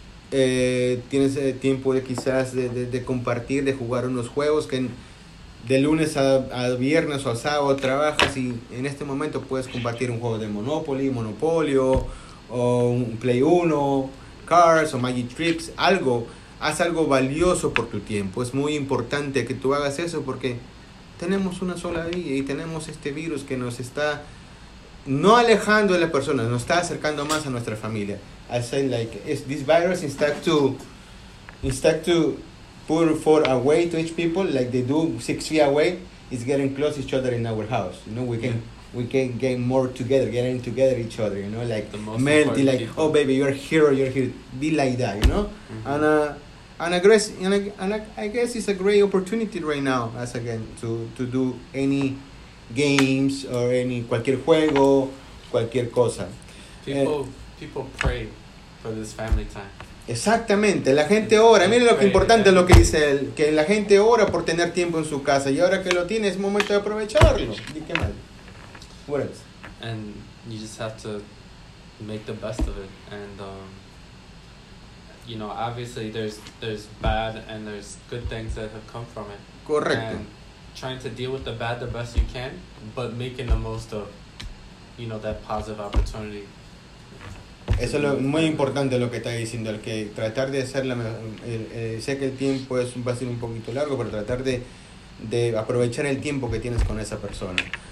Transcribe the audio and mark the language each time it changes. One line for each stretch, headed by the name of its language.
Spanish: Tienes el tiempo de quizás de compartir, de jugar unos juegos que de lunes a viernes o a sábado trabajas y en este momento puedes compartir un juego de Monopolio, o un Play 1, Cars o Magic Tricks, algo. Haz algo valioso por tu tiempo. Es muy importante que tú hagas eso porque tenemos una sola vida y tenemos este virus que nos está no alejando de las personas, nos está acercando más a nuestra familia.
English: I say like this virus instead to put for away to each people like they do 6 feet away, it's getting close to each other in our house. You know, we can get more together, getting together each other. You know, like melty, like people. Oh baby, you're here. Be like that. You know, mm-hmm. And I guess it's a great opportunity right now as again to do any games or any
Spanish: cualquier juego, cualquier cosa.
English: People pray for this family time.
Spanish: Exactamente, la gente ora. Miren lo que importante es lo que dice él, que la gente ora por tener tiempo en su casa y ahora que lo tiene es momento de aprovecharlo. ¿Y qué más?
English: What else? And you just have to make the best of it. And you know, obviously there's bad and there's good things that have come from it.
Spanish: Correcto.
English: And trying to deal with the bad the best you can, but making the most of, you know, that positive opportunity.
Spanish: Eso es muy importante lo que está diciendo, el que tratar de hacer la sé que el tiempo va a ser un poquito largo, pero tratar de aprovechar el tiempo que tienes con esa persona.